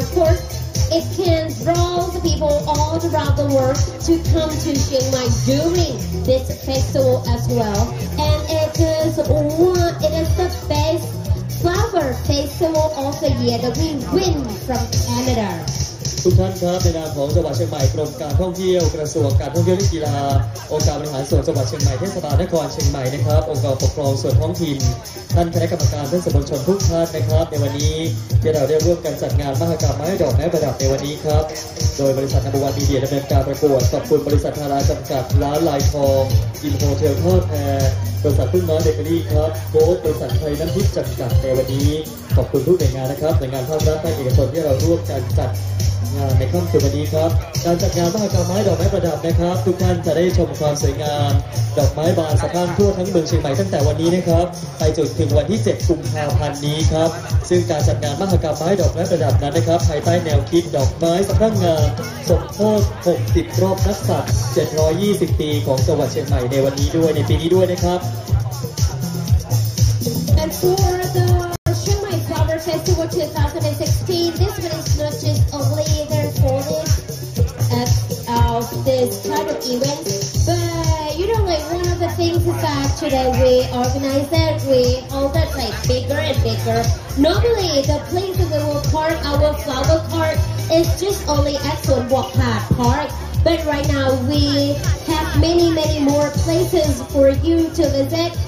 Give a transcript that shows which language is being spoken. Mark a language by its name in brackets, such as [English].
[English] Of course, it can draw the people all around the world to come to Chiang Mai during this festival as well. And it is the best flower festival of the year that we win from Canada. [Thai] ทุกท่านครับในนามของจังหวัดเชียงใหม่กรมการท่องเที่ยวกระทรวงการท่องเที่ยวและกีฬาองค์การบริหารส่วนจังหวัดเชียงใหม่เทศบาลนครเชียงใหม่นะครับองค์กรปกครองส่วนท้องถิ่นท่านคณะกรรมการท่านสื่อมวลชนทุกท่านนะครับในวันนี้ที่เราได้ร่วมกันจัดงานมหกรรมไม้ดอกไม้ประดับในวันนี้ครับโดยบริษัทนาบวันมีเดียดำเนินการประกวดขอบคุณบริษัทธาราจำกัดร้านลายทองอินโฮเทลทอดแพ บริษัทพึ่งน้อยเบเกอรี่ครับโค้ดบริษัทไทยน้ำพิษจำกัดในวันนี้ขอบคุณทุกหน่วยงานนะครับหน่วยงานภาครัฐและเอกชนที่เราร่วมกันจัด งานในค่ำคืนวันนี้ครับการจัดงานมหกรรมไม้ดอกไม้ประดับนะครับทุกท่านจะได้ชมความสวยงามดอกไม้บานสะพรั่งทั่วทั้งเมืองเชียงใหม่ตั้งแต่วันนี้นะครับไปจนถึงวันที่7กุมภาพันธ์นี้ครับซึ่งการจัดงานมหกรรมไม้ดอกไม้ประดับนั้นนะครับภายใต้แนวคิดดอกไม้สะพรั่งงามสมโภช60รอบนักศัตรู720ปีของจังหวัดเชียงใหม่ในวันนี้ด้วยในปีนี้ด้วยนะครับ [English] And for the Chiang Mai Flower Festival 2016 this one is not just only the 40th of this kind of event but you know like one of the things is that today we organize that we hold that like bigger and bigger normally the place that we will park our flower cartIt's just only at Sun Wok Hat Park, but right now we have many, many more places for you to visit.